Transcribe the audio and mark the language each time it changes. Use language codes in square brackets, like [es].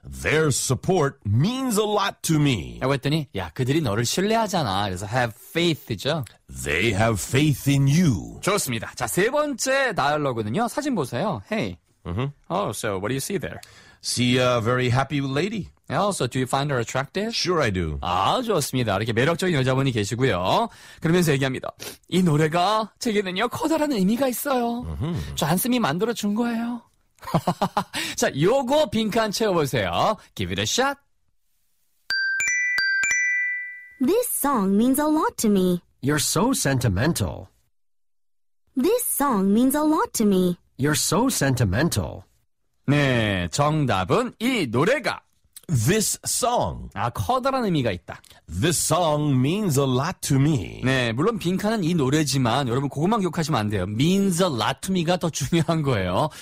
[en] Their support means a lot to me. [ko] 라고 했더니, 야, 그들이 너를 신뢰하잖아. 그래서 have faith죠. [en] They have faith in you. [ko] 좋습니다. 자, 세 번째 다이얼로그는요. 사진 보세요. Hey. [en] Oh, so what do you see there? See a very happy lady. Oh, so do you find her attractive? Sure, I do. [ko] 아, 좋습니다. 이렇게 매력적인 여자분이 계시고요. 그러면서 얘기합니다. 이 노래가 제게는요, 커다란 의미가 있어요. 저 한숨이 만들어준 거예요. 자, 요거 빈칸 채워보세요. [en] Give it a shot. This song means a lot to me. You're so sentimental. This song means a lot to me. You're so sentimental. [ko] 네, 정답은 이 노래가 [en] This song. [ko] 아, 커다란 의미가 있다. [en] This song means a lot to me. [ko] 네, 물론 빈칸은 이 노래지만 여러분 그것만 기억하시면 안 돼요. [en] Means a lot to me가 [ko] 더 중요한 거예요.